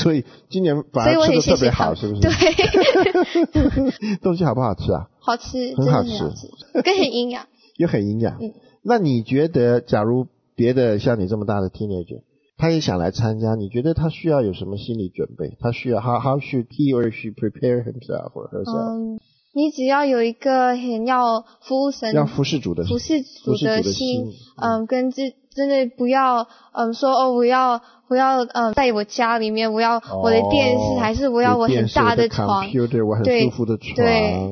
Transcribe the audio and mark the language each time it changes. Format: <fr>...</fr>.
<zh>所以今年反而吃的特别好，是不是？对，东西好不好吃啊？好吃，很好吃，跟很营养，又很营养。那你觉得，假如别的像你这么大的 teenager， 他也想来参加，你觉得他需要有什么心理准备？他需要</zh> <en>how should he or she prepare himself or herself？</en> <zh>你只要有一个很要服务神、要服侍主的心，跟真的不要，说哦，我要，在我家里面，我要我的电视，哦、还是我要我很大的床，我的 computer， 我很舒服的床。对，</zh>